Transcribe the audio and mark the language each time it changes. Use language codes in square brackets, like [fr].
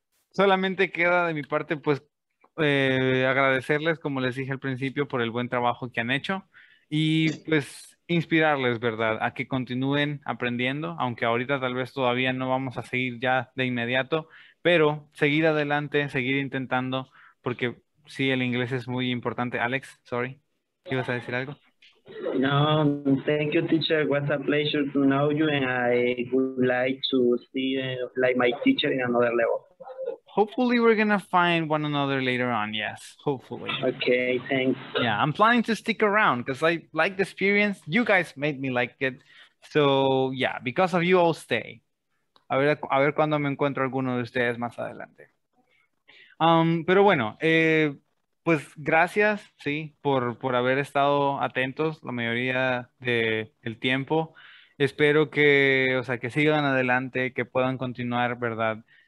[es] solamente queda de mi parte, pues, agradecerles, como les dije al principio, por el buen trabajo que han hecho y, pues, inspirarles, ¿verdad?, a que continúen aprendiendo, aunque ahorita tal vez todavía no vamos a seguir ya de inmediato, pero seguir adelante, seguir intentando, porque sí, el inglés es muy importante. Alex, sorry, ¿ibas a decir algo? [en] No, thank you, teacher. What a pleasure to know you, and I would like to see like my teacher in another level. Hopefully we're going to find one another later on. Yes, hopefully. Okay, thanks. Yeah, I'm planning to stick around because I like the experience. You guys made me like it. So, yeah, because of you, I'll stay. [es] A ver cuando me encuentro alguno de ustedes más adelante. Pero bueno, pues gracias, sí, por haber estado atentos la mayoría del tiempo. Espero que, o sea, que sigan adelante, que puedan continuar, ¿verdad?